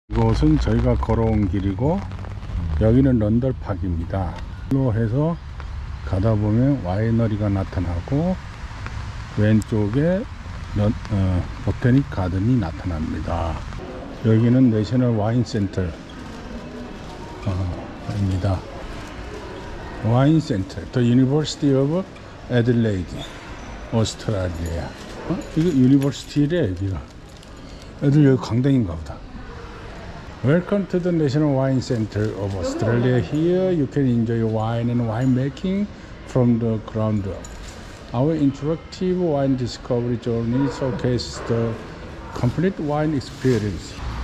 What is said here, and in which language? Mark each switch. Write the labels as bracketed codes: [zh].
[ko] 이곳은 저희가 걸어온 길이고 여기는 런덜팍입니다. 로 해서 가다 보면 와이너리가 나타나고 왼쪽에 보테닉 가든이 나타납니다. 여기는 내셔널 와인 센터 입니다. 와인 센터, [en] The University of Adelaide, Australia. [ko] 이거 유니버시티래, 여기가. 애들 여기 강당인가 보다. [en] Welcome to the National Wine Center of Australia. Here you can enjoy wine and winemaking from the ground up. Our interactive wine discovery journey showcases the complete wine experience.